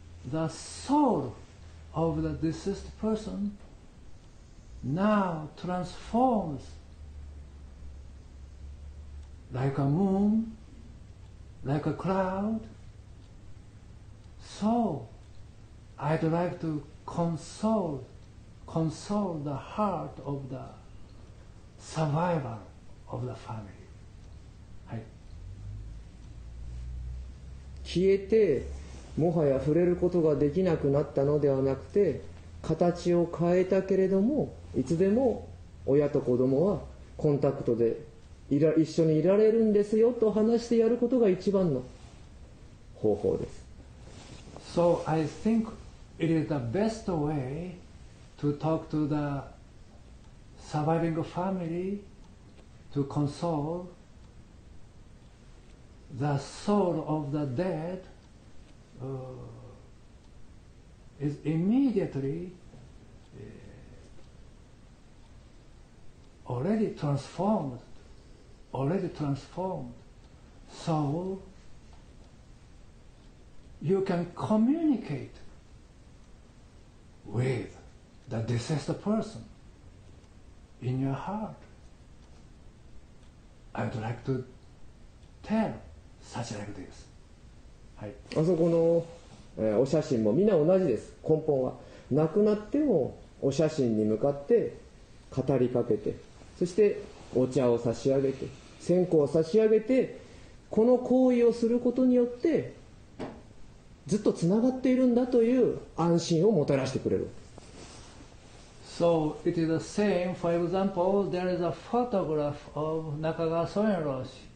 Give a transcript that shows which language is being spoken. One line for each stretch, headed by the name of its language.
English: The soul of the deceased person now transforms like a moon, like a cloud. So I'd like to console the heart of the survivor of the family.
Japanese: はい。消えてもはや触れることができなくなったのではなくて、形を変えたけれども、いつでも親と子供はコンタクトで一緒にいられるんですよと話してやることが一番の方法です。
English: So I think it is the best way to talk to the surviving family to console the soul of the dead is immediately already transformed, already transformed. So you can communicate with the deceased person in your heart. I would like to tell such like this.
Japanese: はい。あそこの、お写真もみんな同じです。根本は亡くなってもお写真に向かって語りかけて、そしてお茶を差し上げて、線香を差し上げて、この行為をすることによってずっとつながっているんだという安心をもたらしてくれる。
English: So it is the same. For example, there is a photograph of Nakagawa Soen Roshi.